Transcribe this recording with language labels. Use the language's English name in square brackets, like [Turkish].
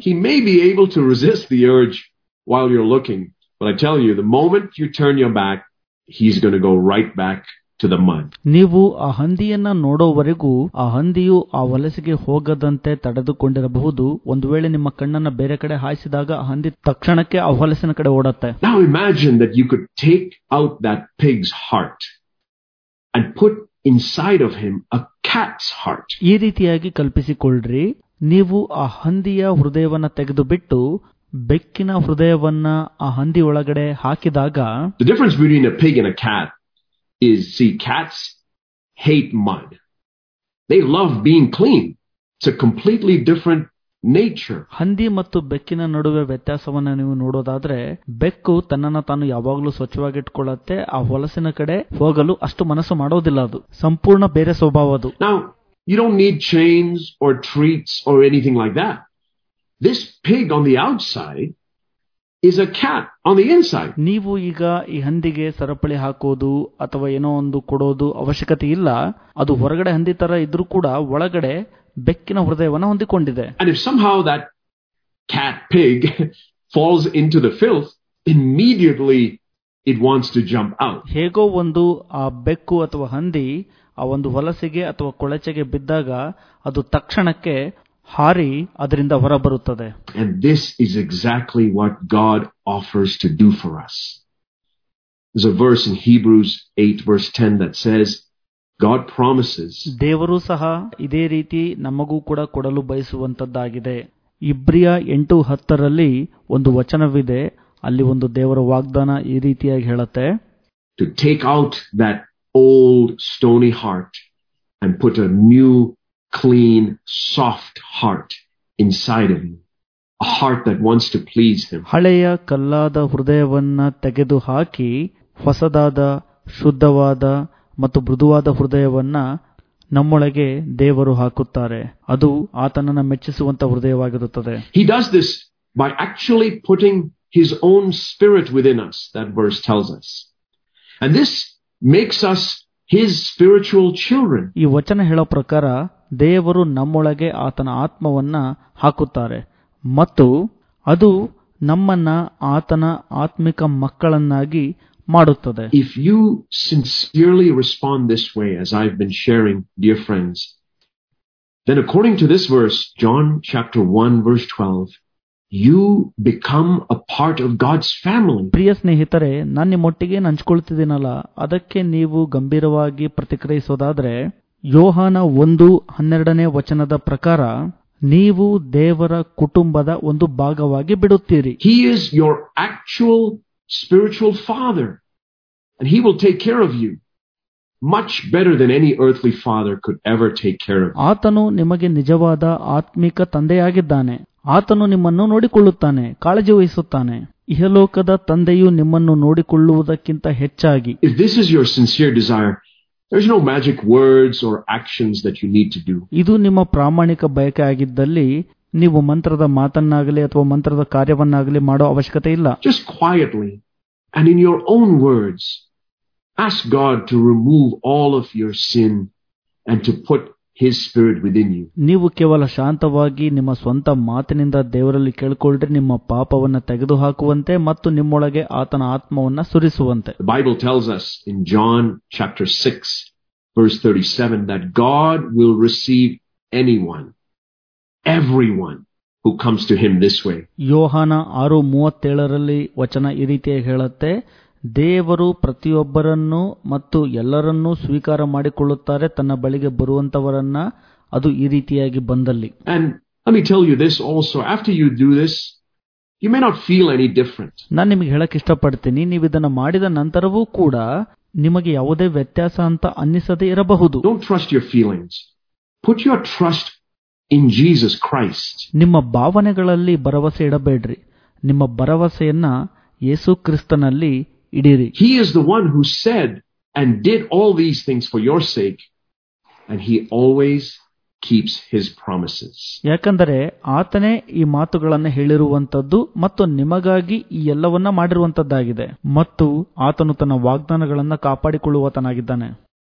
[English] He may be able to resist the urge while you're looking, but I tell you, the moment you turn your back, he's going to go right back to the mind. [Kannada] ನೀವು ಆ ಹಂದಿಯನ್ನ ನೋಡೋವರೆಗೂ ಆ ಹಂದಿಯು ಆ ವಲಸೆಗೆ ಹೋಗದಂತೆ ತಡೆದುಕೊಂಡಿರಬಹುದು. ಒಂದು ವೇಳೆ ನಿಮ್ಮ ಕಣ್ಣನ್ನ ಬೇರೆ ಕಡೆ ಹಾಯಿಸಿದಾಗ ಆ ಹಂದಿ ತಕ್ಷಣಕ್ಕೆ ಆ ವಲಸಿನ ಕಡೆ ಓಡತ್ತೆ. [English] Now imagine that you could take out that pig's heart and put inside of him a cat's heart. [Kannada] ಈ ರೀತಿಯಾಗಿ ಕಲ್ಪಿಸಿಕೊಳ್ಳ್ರಿ, ನೀವು ಆ ಹಂದಿಯ ಹೃದಯವನ್ನ ತೆಗೆದುಬಿಟ್ಟು ಬೆಕ್ಕಿನ ಹೃದಯವನ್ನ ಆ ಹಂದಿ ಒಳಗಡೆ ಹಾಕಿದಾಗ [English] The difference between a pig and a cat is, see, cats hate mud. They love being clean. It's a completely different nature. [Kannada] ಹಂದಿ ಮತ್ತು ಬೆಕ್ಕಿನ ನಡುವೆ ವ್ಯತ್ಯಾಸವನ್ನ ನೀವು ನೋಡೋದಾದ್ರೆ ಬೆಕ್ಕು ತನ್ನನ್ನು ತಾನು ಯಾವಾಗಲೂ ಸ್ವಚ್ಛವಾಗಿಟ್ಕೊಳ್ಳುತ್ತೆ, ಆ ಹೊಲಸಿನ ಕಡೆ ಹೋಗಲು ಅಷ್ಟು ಮನಸ್ಸು ಮಾಡೋದಿಲ್ಲ, ಅದು ಸಂಪೂರ್ಣ ಬೇರೆ ಸ್ವಭಾವ ಅದು. [English] Now, you don't need chains or treats or anything like that. This pig on the outside is a cat on the inside. [Kannada] ನೀವು ಈಗ ಈ ಹಂದಿಗೆ ಸರಪಳಿ ಹಾಕೋದು ಅಥವಾ ಏನೋ ಒಂದು ಕೊಡೋದು ಅವಶ್ಯಕತೆ ಇಲ್ಲ. ಅದು ಹೊರಗಡೆ ಹಂದಿ ತರ ಇದ್ರೂ ಕೂಡ ಒಳಗಡೆ ಬೆಕ್ಕಿನ ಹೃದಯವನ್ನು ಹೊಂದಿಕೊಂಡಿದೆ. [English] And if somehow that cat pig falls into the filth, immediately it wants to jump out. [Kannada] ಹೇಗೋ ಒಂದು ಆ ಬೆಕ್ಕು ಅಥವಾ ಹಂದಿ ಆ ಒಂದು ಹೊಲಸಿಗೆ ಅಥವಾ ಕೊಳಚೆಗೆ ಬಿದ್ದಾಗ ಅದು ತಕ್ಷಣಕ್ಕೆ ಹಾರಿ ಅದರಿಂದ ಹೊರಬರುತ್ತದೆ. [English] And this is exactly what God offers to do for us. There's a verse in Hebrews 8 verse 10 that says, God promises. [Kannada] ದೇವರು ಸಹ ಇದೇ ರೀತಿ ನಮಗೂ ಕೂಡ ಕೊಡಲು ಬಯಸುವಂತದ್ದಾಗಿದೆ. ಇಬ್ರಿಯ 8:10 ಒಂದು ವಚನವಿದೆ, ಅಲ್ಲಿ ಒಂದು ದೇವರ ವಾಗ್ದಾನ ಈ ರೀತಿಯಾಗಿ ಹೇಳುತ್ತೆ. [English] To take out that old stony heart and put a new clean soft heart inside of you. A heart that wants to please him. [Kannada] ಹಳೆಯ ಕಲ್ಲಾದ ಹೃದಯವನ್ನ ತೆಗೆದು ಹಾಕಿ ಹೊಸದಾದ ಶುದ್ಧವಾದ ಮತ್ತು ಮೃದುವಾದ ಹೃದಯವನ್ನ ನಮ್ಮೊಳಗೆ ದೇವರು ಹಾಕುತ್ತಾರೆ. ಅದು ಆತನನ್ನ ಮೆಚ್ಚಿಸುವಂತ ಹೃದಯವಾಗಿರುತ್ತದೆ. [English] He does this by actually putting his own spirit within us, that verse tells us. And this makes us his spiritual children. [Kannada] ಈ ವಚನ ಹೇಳೋ ಪ್ರಕಾರ ದೇವರು ನಮ್ಮೊಳಗೆ ಆತನ ಆತ್ಮವನ್ನ ಹಾಕುತ್ತಾರೆ ಮತ್ತು ಅದು ನಮ್ಮನ್ನ ಆತನ ಆತ್ಮಿಕ ಮಕ್ಕಳನ್ನಾಗಿ ಮಾಡುತ್ತದೆ. [English] If you sincerely respond this way, as I've been sharing, dear friends, then according to this verse, John chapter 1 verse 12, you become a part of God's family. [Kannada] ಪ್ರಿಯ ಸ್ನೇಹಿತರೆ, ನಾನು ನಿಮ್ಮೊಟ್ಟಿಗೆ ನಂಚಿಕೊಳ್ತಿದ್ದೀನಲ್ಲ ಅದಕ್ಕೆ ನೀವು ಗಂಭೀರವಾಗಿ ಪ್ರತಿಕ್ರಿಯಿಸೋದಾದ್ರೆ ಯೋಹಾನ 1:12 ವಚನದ ಪ್ರಕಾರ ನೀವು ದೇವರ ಕುಟುಂಬದ ಒಂದು ಭಾಗವಾಗಿ ಬಿಡುತ್ತೀರಿ. [English] He is your actual spiritual father. And he will take care of you much better than any earthly father could ever take care of you. [Kannada] ಆತನು ನಿಮಗೆ ನಿಜವಾದ ಆತ್ಮಿಕ ತಂದೆಯಾಗಿದ್ದಾನೆ. ಆತನು ನಿಮ್ಮನ್ನು ನೋಡಿಕೊಳ್ಳುತ್ತಾನೆ, ಕಾಳಜಿ ವಹಿಸುತ್ತಾನೆ. ಇಹಲೋಕದ ತಂದೆಯು ನಿಮ್ಮನ್ನು ನೋಡಿಕೊಳ್ಳುವುದಕ್ಕಿಂತ ಹೆಚ್ಚಾಗಿ. [English] If this is your sincere desire, there's no magic words or actions that you need to do. [Kannada] ಇದು ನಿಮ್ಮ ಪ್ರಾಮಾಣಿಕ ಬಯಕೆ ಆಗಿದ್ದಲ್ಲಿ ನೀವು ಮಂತ್ರದ ಮಾತನ್ನಾಗಲಿ ಅಥವಾ ಮಂತ್ರದ ಕಾರ್ಯವನ್ನಾಗಲಿ ಮಾಡೋ ಅವಶ್ಯಕತೆ ಇಲ್ಲ. [English] Just quietly and in your own words, ask God to remove all of your sin and to put his spirit within you. [Kannada] ನೀವು ಕೇವಲ ಶಾಂತವಾಗಿ ನಿಮ್ಮ ಸ್ವಂತ ಮಾತಿನಿಂದ ದೇವರಲ್ಲಿ ಕೇಳಿಕೊಳ್ಳ್ರಿ, ನಿಮ್ಮ ಪಾಪವನ್ನು ತೆಗೆದುಹಾಕುವಂತೆ ಮತ್ತು ನಿಮ್ಮೊಳಗೆ ಆತನ ಆತ್ಮವನ್ನ ಸುರಿಸುವಂತೆ. [English] The Bible tells us in John chapter 6 verse 37 that God will receive anyone, everyone who comes to him this way. [Kannada] ಯೋಹಾನ 6:37 ವಚನ ಈ ರೀತಿಯಾಗಿ ಹೇಳುತ್ತೆ, ದೇವರು ಪ್ರತಿಯೊಬ್ಬರನ್ನು ಮತ್ತು ಎಲ್ಲರನ್ನೂ ಸ್ವೀಕಾರ ಮಾಡಿಕೊಳ್ಳುತ್ತಾರೆ ತನ್ನ ಬಳಿಗೆ ಬರುವಂತವರನ್ನ. ಅದು ಈ ರೀತಿಯಾಗಿ ಬಂದಲ್ಲಿ. [English] And let me tell you this also, after you do this, you may not feel any different. [Kannada] ನಾನು ನಿಮಗೆ ಹೇಳಕ್ ಇಷ್ಟಪಡ್ತೀನಿ, ನೀವು ಇದನ್ನ ಮಾಡಿದ ನಂತರವೂ ಕೂಡ ನಿಮಗೆ ಯಾವುದೇ ವ್ಯತ್ಯಾಸ ಅಂತ ಅನ್ನಿಸದೆ ಇರಬಹುದು. [English] Don't trust your feelings. Put your trust in Jesus Christ. [Kannada] ನಿಮ್ಮ ಭಾವನೆಗಳಲ್ಲಿ ಭರವಸೆ ಇಡಬೇಡ್ರಿ, ನಿಮ್ಮ ಭರವಸೆಯನ್ನ ಯೇಸು ಕ್ರಿಸ್ತನಲ್ಲಿ ಇಡಿರಿ. [English] He is the one who said and did all these things for your sake, and he always keeps his promises. [Kannada] ಯಾಕಂದರೆ ಆತನೇ ಈ ಮಾತುಗಳನ್ನು ಹೇಳಿರುವಂತದ್ದು ಮತ್ತು ನಿಮಗಾಗಿ ಈ ಎಲ್ಲವನ್ನ ಮಾಡಿರುವಂತದ್ದಾಗಿದೆ, ಮತ್ತು ಆತನು ತನ್ನ ವಾಗ್ದಾನಗಳನ್ನು ಕಾಪಾಡಿಕೊಳ್ಳುವತನಾಗಿದ್ದಾನೆ.